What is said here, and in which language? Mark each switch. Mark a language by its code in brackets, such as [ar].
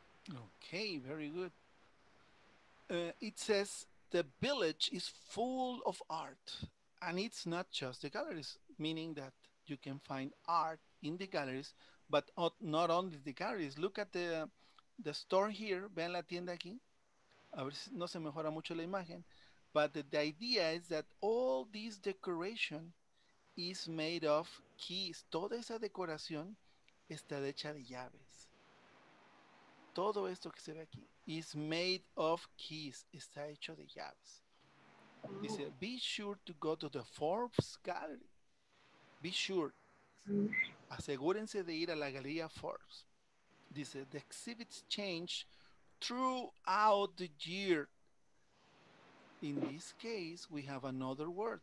[en] Okay, very good. It says the village is full of art, and it's not just the galleries, meaning that you can find art in the galleries, but not only the galleries. Look at the store here. [es] Vean la tienda aquí. A ver si no se mejora mucho la imagen. [en] But the idea is that all this decoration is made of keys. [es] Toda esa decoración está hecha de llaves. Todo esto que se ve aquí [en] is made of keys, [es] está hecho de llaves. [en] Dice, be sure to go to the Forbes Gallery. Be sure. [es] Asegúrense de ir a la Galería Forbes. [en] Dice, the exhibits change throughout the year. In this case, we have another word.